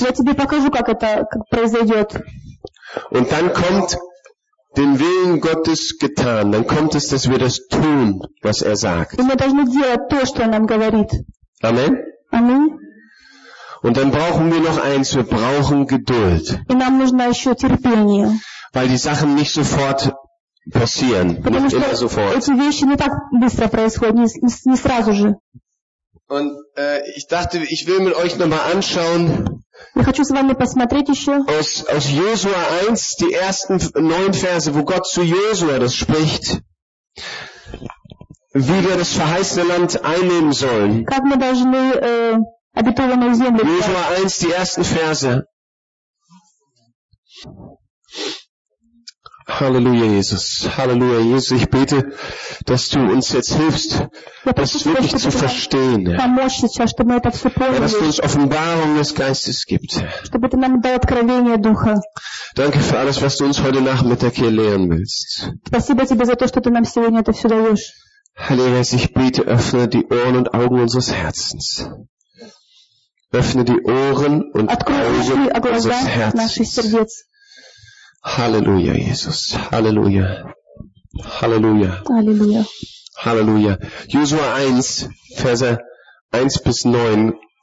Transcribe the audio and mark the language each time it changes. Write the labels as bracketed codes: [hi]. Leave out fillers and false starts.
[ru] Я тебе покажу, как это произойдет. [de] Und dann kommt den Willen Gottes getan. Dann kommt es, dass wir das tun, was er sagt. [ru] Мы должны делать то, что он нам говорит. [de] Amen. Amen. Und dann brauchen wir noch eins. Wir brauchen Geduld. [ru] И нам нужно еще терпение. [de] Weil die Sachen nicht sofort passieren. Nicht immer sofort. [ru] Эти вещи не так быстро происходят, не сразу же. [de] Und ich dachte, ich will mit euch nochmal anschauen. [ru] Я хочу с вами посмотреть еще. [de] Aus Josua 1, die ersten 9 Verse, wo Gott zu Josua das spricht, wie wir das verheißene Land einnehmen sollen. [ru] Как мы должны обетованную землю взять. [de] Josua 1, die ersten Verse. Halleluja, Jesus. Halleluja, Jesus. Ich bete, dass du uns jetzt hilfst, das wirklich zu verstehen. Ja, dass du uns Offenbarung des Geistes gibst. [ru] Чтобы ты нам дал откровение Духа. [de] Danke für alles, was du uns heute Nachmittag hier lehren willst. [ru] Спасибо тебе за то, что ты нам сегодня это все даешь. [de] Halleluja, Jesus. Ich bete, öffne die Ohren und Augen unseres Herzens. Öffne die Ohren und Augen unseres Herzens. Halleluja, Jesus. Halleluja. Halleluja. Halleluja. Halleluja. Josua 1, Verse 1 bis 9.